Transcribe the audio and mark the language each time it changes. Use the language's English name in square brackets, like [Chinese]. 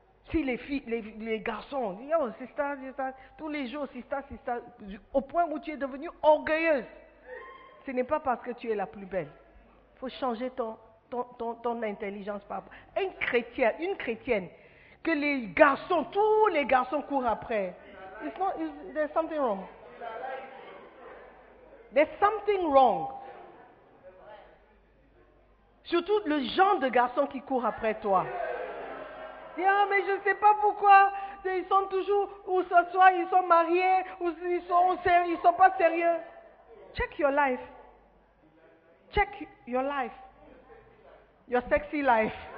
[French] Si les filles, les garçons, oh, c'est ça, tous les jours, c'est ça, au point où tu es devenue orgueilleuse, ce n'est pas parce que tu es la plus belle. Il faut changer ton intelligence. Un chrétien, une chrétienne, que les garçons, tous les garçons courent après. [English] There's something wrong. There's something wrong. [French] Surtout le genre de garçon qui court après toi. Ah, mais je ne sais pas pourquoi. Ils sont toujours, où ce soit, ils sont mariés, ou ils sont pas sérieux. [English] Check your life. Check your life. Your sexy life.